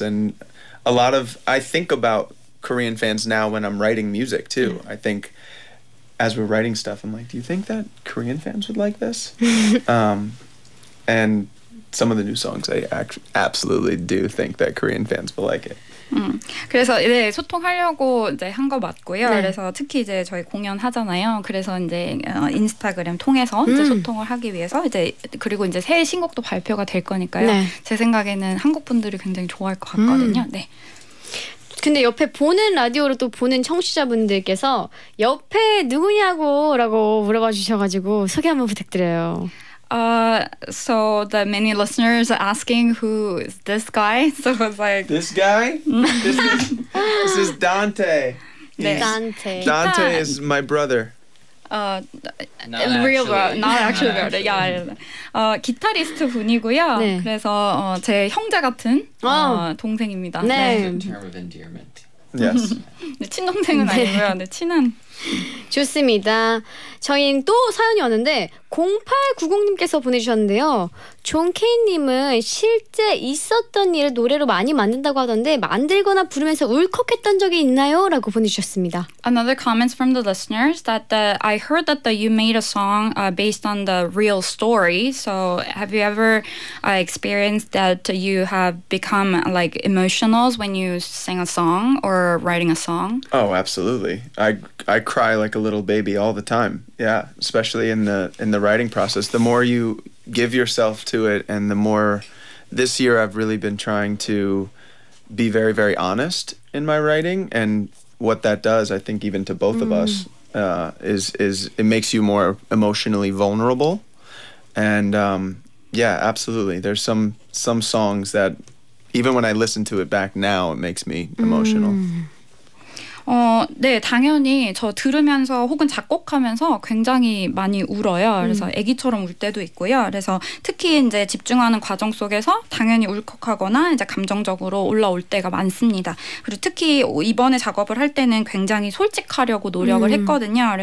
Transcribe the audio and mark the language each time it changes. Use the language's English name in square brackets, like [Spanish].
[English] And a lot of, I think about Korean fans now when I'm writing music too. Mm. I think as we're writing stuff, I'm like, do you think that Korean fans would like this? And some of the new songs, I absolutely do think that Korean fans will like it. [Korean] 그래서 이제 네, 소통하려고 이제 한 거 맞고요. 네. 그래서 특히 이제 저희 공연 하잖아요. 그래서 이제 인스타그램 통해서 이제 소통을 하기 위해서 이제 그리고 이제 새 신곡도 발표가 될 거니까요. 네. 제 생각에는 한국 분들이 굉장히 좋아할 것 같거든요. 네. 근데 옆에 보는 라디오로 또 보는 청취자분들께서 옆에 누구냐고 라고 물어봐 주셔가지고 소개 한번 부탁드려요. [English] So the many listeners are asking who is this guy? So I was like... This guy? This is Dante. He's, Dante. Dante is my brother. Real bro, not actually bro. Yeah. [Korean] 기타리스트 분이고요. 네. 그래서 제 형제 같은 동생입니다. [English] 네. Term of endearment. Yes. [Korean] 네, 친동생은 네. 아니고요. 네, 친한. 좋습니다. 저희는 또 사연이 왔는데 0890님께서 보내주셨는데요. 존 케인님은 실제 있었던 일을 노래로 많이 만든다고 하던데 만들거나 부르면서 울컥했던 적이 있나요? 라고 보내주셨습니다. [English] Another comments from the listeners that I heard that you made a song based on the real story. So have you ever experienced that you have become like emotional when you sing a song or writing a song? Oh, absolutely. I cry like a little baby all the time. Yeah, especially in the writing process. The more you give yourself to it and the more this year I've really been trying to be very, very honest in my writing and what that does, I think even to both of us, is it makes you more emotionally vulnerable. And yeah, absolutely. There's some songs that even when I listen to it back now, it makes me emotional. [Korean] 네, 당연히 저 들으면서 혹은 작곡하면서 굉장히 많이 울어요. 그래서 아기처럼 울 때도 있고요. 그래서 특히 이제 집중하는 과정 속에서 당연히 울컥하거나 이제 감정적으로 올라올 때가 많습니다. 그리고 특히 이번에 작업을 할 때는 굉장히 솔직하려고 노력을 했거든요.